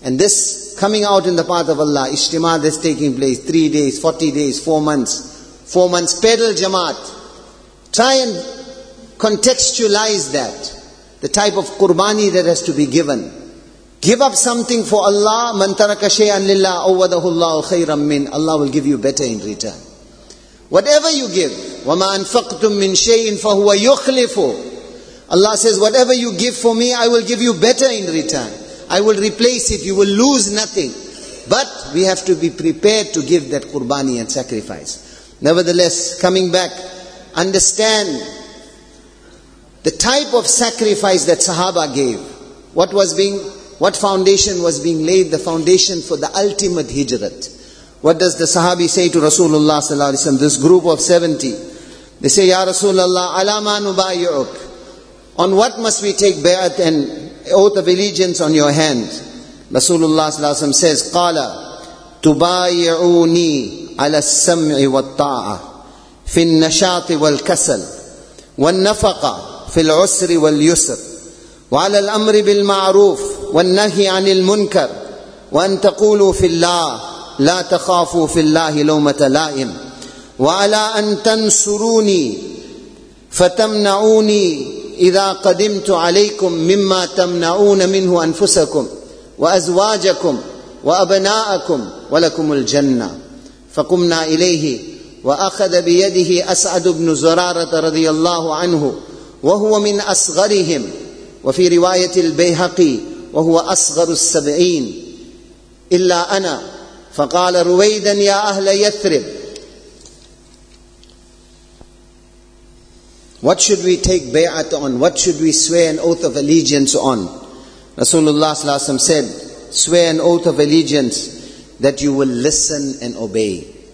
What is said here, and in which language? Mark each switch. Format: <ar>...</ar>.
<en>And this coming out in the path of Allah, ijtima that's taking place, 3 days, 40 days, 4 months, 4 months, pedal jamaat. Try and contextualize that. The type of qurbani that has to be given. Give up something for Allah.</en> <ar>مَنْ تَرَكَ شَيْئًا لِلَّهِ أَوَّدَهُ اللَّهُ خَيْرًا مِنْ.</ar> <en>Allah will give you better in return. Whatever you give,</en> <ar>وَمَا أَنْفَقْتُمْ مِنْ شَيْءٍ فَهُوَ يُخْلِفُ.</ar> <en>Allah says, whatever you give for me, I will give you better in return. I will replace it. You will lose nothing. But we have to be prepared to give that qurbani and sacrifice. Nevertheless, coming back, understand the type of sacrifice that Sahaba gave. What foundation was being laid? The foundation for the ultimate Hijrat. What does the Sahabi say to Rasulullah sallallahu alaihi wasallam? This group of 70, they say, Ya Rasulullah,</en> <ar>ala ma nubayyuk?</ar> <en>On what must we take bayat and oath of allegiance on your hand?</en> <ar>Rasulullah sallallahu alaihi wasallam</ar> <en>says,</en> <ar>Qala tubayyuni عَلَى السَّمْعِ وَالطَّاعَةِ فِي النَّشَاطِ وَالْكَسَلِ وَالنَّفَقَ فِي الْعُسْرِ وَالْيُسْرِ وَعَلَى الْأَمْرِ بِالْمَعْرُوفِ وَالنَّهِي عَنِ الْمُنْكَرِ وَأَنْ تَقُولُوا فِي اللَّهِ لَا تَخَافُوا فِي اللَّهِ لَوْمَةَ لَائِمٍ وَعَلَى أَنْ تَنْصُرُونِي فَتَمْنَعُونِي إِذَا قَدِمْتُ عَلَيْكُمْ مِمَّا تَمْنَعُونَ مِنْهُ أَنْفُسَكُمْ وَأَزْوَاجَكُمْ وَأَبْنَاءَكُمْ وَلَكُمْ الْجَنَّةُ فقمنا إليه وأخذ بيده أسعد بن زرارة رضي الله عنه وهو من أصغرهم وفي رواية البيهقي وهو أصغر السبعين إلا أنا. فقال رويدا: يا أهل يثرب,</ar> <en>what should we take bay'at on? What should we swear an oath of allegiance on? Rasulullah</en> <ar>صلى الله عليه وسلم</ar> <en>said, swear an oath of allegiance that you will listen and obey.</en>